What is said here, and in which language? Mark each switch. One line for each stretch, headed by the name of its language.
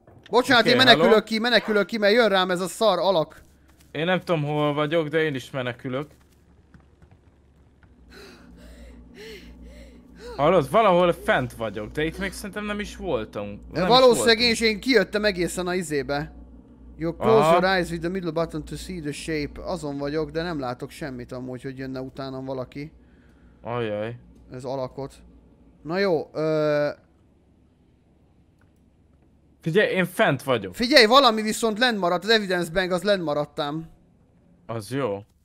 Hungarian: Bocsánat, okay, én menekülök ki, mert jön rám ez a szar alak. Én nem tudom hol vagyok, de én is menekülök. Hallod, valahol fent vagyok, de itt még szerintem nem is voltam. Valószínűleg én is, én kijöttem egészen a izébe.
English: You close your eyes with the middle button to see the shape.
Hungarian: Azon vagyok, de nem látok semmit amúgy, hogy jönne utánam valaki. Ajaj. Ez alakot. Na jó, Figyelj, én fent vagyok. Figyelj, valami viszont lent maradt, az evidence bank az lent maradtam. Az jó.